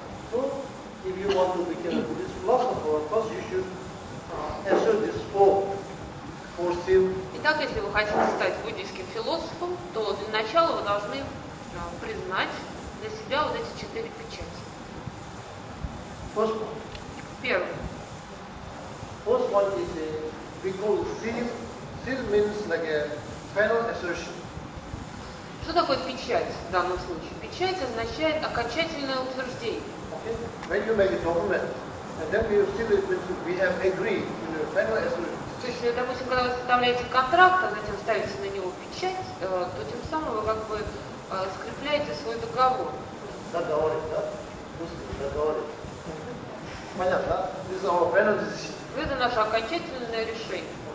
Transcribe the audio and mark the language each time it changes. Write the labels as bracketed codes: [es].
[en] So if you want to become a Buddhist philosopher, of course you should answer this four seal. [ru] Итак, если вы хотите стать буддийским философом, то для начала вы должны признать для себя вот эти четыре печати. [en] First one is a, we call seal. Seal means like a final assertion. [ru] Что такое печать в данном случае? Печать означает окончательное утверждение. [en] Okay. When you make a document, and then we seal it means we have agreed in the final assertion. [ru] То есть, допустим, когда вы составляете контракт, а затем ставите на него печать, то тем самым вы как бы скрепляете свой договор. Договор, да? Пусть договор. Понятно, да? [en] This is our final decision. [ru] Это наше окончательное решение.